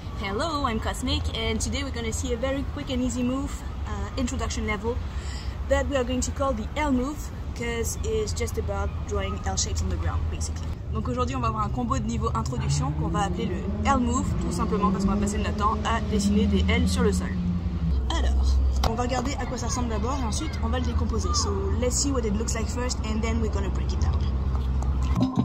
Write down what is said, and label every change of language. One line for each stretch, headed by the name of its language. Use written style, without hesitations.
English: Hello, I'm Cosmic, and today we're going to see a very quick and easy move, introduction level, that we are going to call the L move, because it's just about drawing L shapes on the ground, basically.
French: Donc aujourd'hui, on va avoir un combo de niveau introduction qu'on va appeler le L move, tout simplement parce qu'on va passer notre temps à dessiner des L sur le sol. Alors, on va regarder à quoi ça ressemble d'abord, et ensuite on va le décomposer.
English: So let's see what it looks like first, and then we're going to break it down.